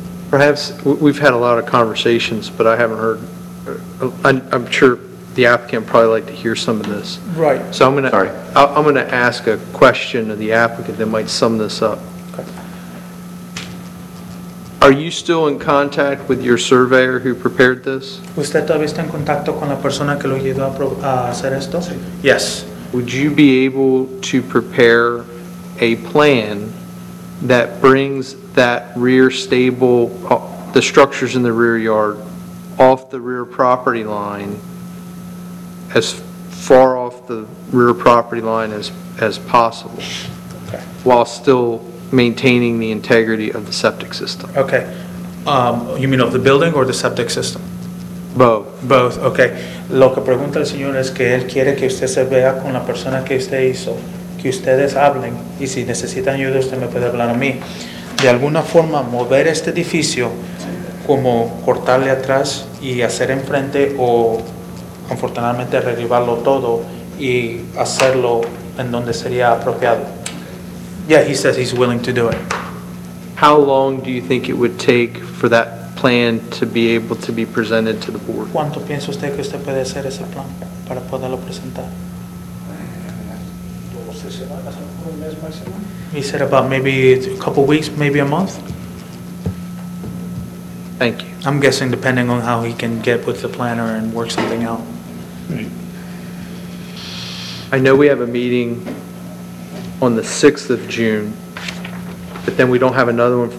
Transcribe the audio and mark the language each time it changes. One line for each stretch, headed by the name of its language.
English: Perhaps we've had a lot of conversations, but I haven't heard. I'm sure the applicant would probably like to hear some of this. Right. So I'm going to ask a question of the applicant that might sum this up. Okay. Are you still in contact with your surveyor who prepared this?
Spanish: ¿Usted todavía está en contacto con la persona que lo ayudó a hacer esto? Sí.
English: Yes. Would you be able to prepare a plan that brings that rear stable, the structures in the rear yard, off the rear property line, as far off the rear property line as possible, okay, while still maintaining the integrity of the septic system? Okay. You mean of the building or the septic system? Both. Both, okay.
Spanish: Lo que pregunta el señor es que él quiere que usted se vea con la persona que usted hizo. Que ustedes hablen, y si necesitan ayuda usted me puede hablar a mí, de alguna forma mover este edificio, como cortarle atrás y hacer enfrente, o afortunadamente derribarlo todo y hacerlo en donde sería apropiado.
English: Yeah, he says he's willing to do it. How long do you think it would take for that plan to be able to be presented to the board?
Spanish: ¿Cuánto piensa usted que usted puede hacer ese plan para poderlo presentar?
English: He said about maybe a couple weeks, maybe a month. Thank you. I'm guessing depending on how he can get with the planner and work something out. Right. I know we have a meeting on the 6th of June, but then we don't have another one.